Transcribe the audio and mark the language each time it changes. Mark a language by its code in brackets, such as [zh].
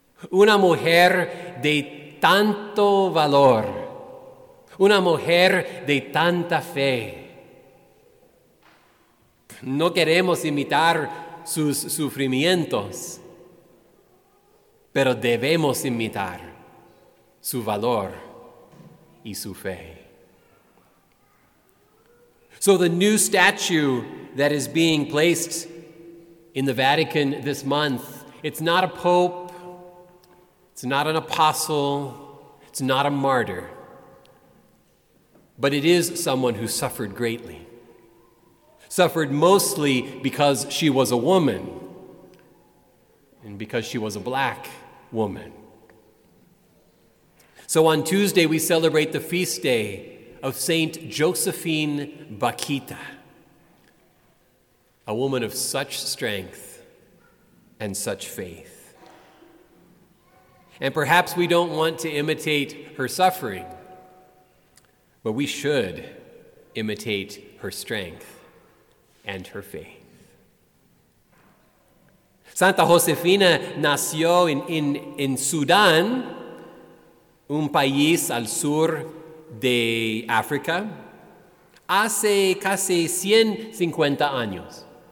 [es] Una mujer de tanto valor, una mujer de tanta fe. No queremos imitar sus sufrimientos, pero debemos imitar su valor y su fe. [en] So the new statue that is being placed in the Vatican this month, it's not a pope, it's not an apostle, it's not a martyr, but it is someone who suffered greatly. Suffered mostly because she was a woman and because she was a black woman. So on Tuesday, we celebrate the feast day of Saint Josephine Baquita, a woman of such strength and such faith. And perhaps we don't want to imitate her suffering, but we should imitate her strength and her faith. [es] Santa Josefina nació in Sudán, un país al sur de África, hace casi 150 años.